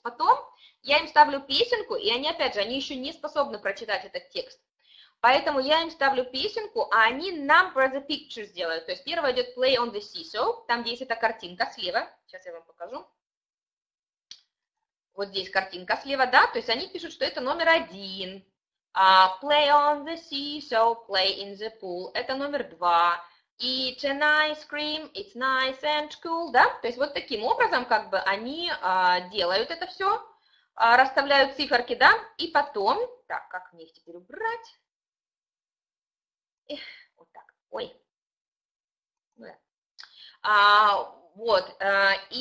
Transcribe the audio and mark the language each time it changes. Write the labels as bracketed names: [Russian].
[Russian] Потом я им ставлю песенку, и они, опять же, они еще не способны прочитать этот текст. Поэтому я им ставлю песенку, а они [English] number the picture [Russian] сделают. То есть первое идет [English] play on the seesaw, [Russian] там здесь эта картинка слева. Сейчас я вам покажу. Вот здесь картинка слева, да? То есть они пишут, что это номер один. [English] Play on the seesaw, play in the pool. [Russian] Это номер два. [English] Eat an ice cream, it's nice and cool, [Russian] да? То есть вот таким образом как бы они делают это все, расставляют циферки, да? И потом, так, как мне их теперь убрать? Вот так, ой. Да.